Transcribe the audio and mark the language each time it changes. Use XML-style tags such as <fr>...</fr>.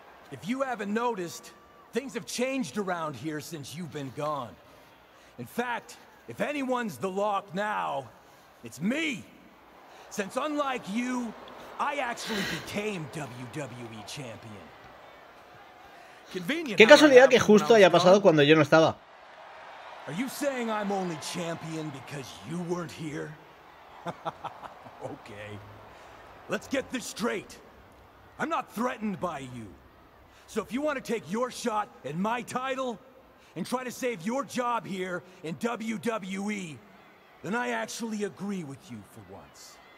<en>If you haven't noticed, things have changed around here since you've been gone. In fact, if anyone's the Lock now, it's me. Since unlike you, I actually became WWE champion.</en> <es>Qué casualidad que justo haya pasado cuando yo no estaba.</es> <en>Are you saying I'm only champion because you weren't here? Okay. Let's get this straight. I'm not threatened by you. So if you want to take your shot at my title and try to save your job here in WWE, then I actually agree with you for once.</en>